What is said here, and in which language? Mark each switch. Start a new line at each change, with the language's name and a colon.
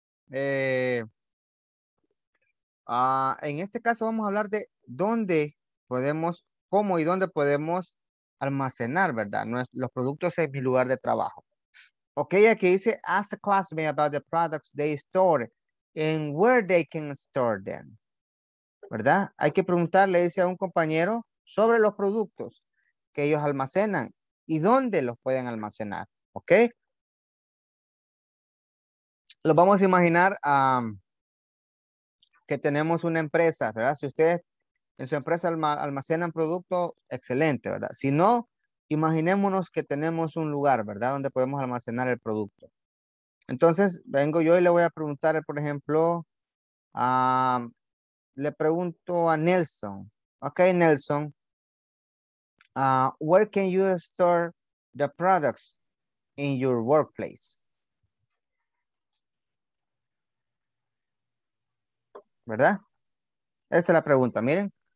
Spanish: En este caso vamos a hablar de dónde podemos, cómo y dónde podemos almacenar, ¿verdad? Los productos en mi lugar de trabajo.
English: Ok,
Spanish: aquí dice,
English: ask the classmate about the products they store and where they can store them.
Spanish: ¿Verdad? Hay que preguntarle, dice a un compañero, sobre los productos que ellos almacenan y dónde los pueden almacenar. Ok. Lo vamos a imaginar que tenemos una empresa, ¿verdad? Si ustedes en su empresa almacenan producto, excelente, ¿verdad? Si no, imaginémonos que tenemos un lugar, ¿verdad? Donde podemos almacenar el producto. Entonces, vengo yo y le voy a preguntar, por ejemplo, le pregunto a Nelson. Ok, Nelson.
English: Where can you store the products in your workplace?
Spanish: ¿Verdad? Esta es la pregunta, miren.